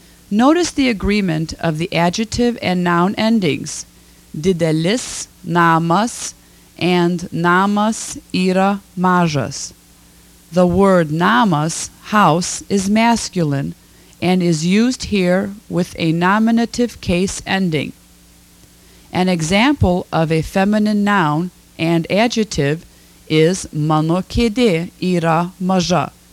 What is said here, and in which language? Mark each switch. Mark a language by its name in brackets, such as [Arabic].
[English] Notice the agreement of the adjective and noun endings. [Lithuanian] Didelis, namas, and namas yra mažas. [English] The word namas, house, is masculine and is used here with a nominative case ending. An example of a feminine noun and adjective is [Lithuanian] mano kėdė yra maža.